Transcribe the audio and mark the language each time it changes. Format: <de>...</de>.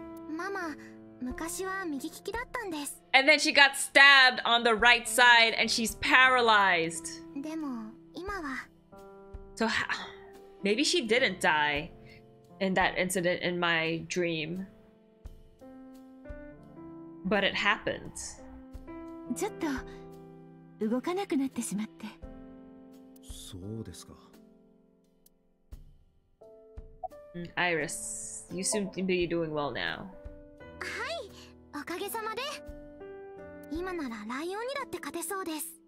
<ja>ママ、昔は右利きだったんです。</ja> <en>And then she got stabbed on the right side and she's paralyzed.</en> <ja>でも、今は。</ja> <en>So, maybe she didn't die. In that incident in my dream. But it happened.</en> <ja>ちょっと動かなくなってしまって。そうですか。</ja> <en>Iris, you seem to be doing well now.</en> <ja>はい、おかげさまで。今ならライオンにだって勝てそうです。</ja>